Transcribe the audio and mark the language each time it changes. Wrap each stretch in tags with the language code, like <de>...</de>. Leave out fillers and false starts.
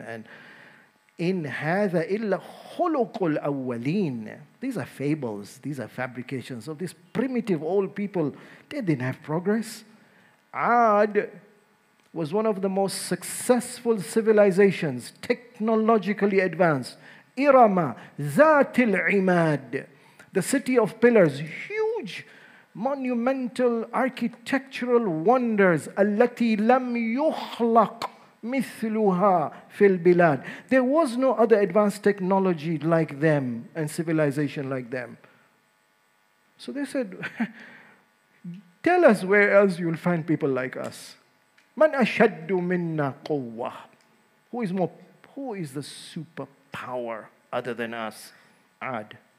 <ar>And in هَذَا إِلَّا خُلُقُ الْأَوَّلِينَ.</ar> <en>These are fables. These are fabrications of these primitive old people. They didn't have progress. عَاد was one of the most successful civilizations, technologically advanced. Irama,</en> <ar>ذات العماد,</ar> <en>the city of pillars, huge monumental architectural wonders,</en> <ar>التي لم يخلق مثلها في البلاد.</ar> <en>There was no other advanced technology like them and civilization like them. So they said, tell us where else you'll find people like us.</en> <ar>من أشد منا قوة?</ar> <en>Who is the superpower other than us? عاد.</en>